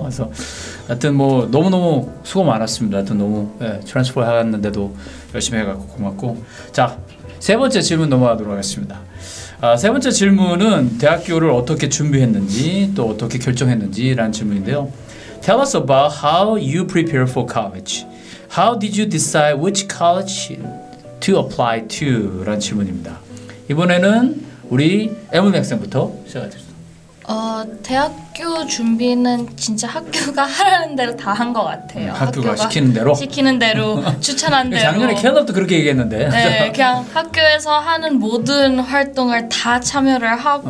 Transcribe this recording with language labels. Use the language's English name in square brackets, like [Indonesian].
[Korean] 그래서 하여튼 뭐 너무너무 수고 많았습니다. 하여튼 너무 예, 트랜스포 해갔는데도 열심히 해갖고 고맙고. 자, 세 번째 질문 넘어가도록 하겠습니다. 아, 세 번째 질문은 대학교를 어떻게 준비했는지 또 어떻게 결정했는지라는 질문인데요. [English] Tell us about how you prepare for college. How did you decide which college to apply to? [Korean] 라는 질문입니다. 이번에는 우리 에문 학생부터 시작하겠습니다. 대학교 준비는 진짜 학교가 하라는 대로 다 한 것 같아요. 학교가 시키는 대로? 시키는 대로, 추천한 대로. 작년에 캘럽도 그렇게 얘기했는데. 네, 그냥 학교에서 하는 모든 활동을 다 참여를 하고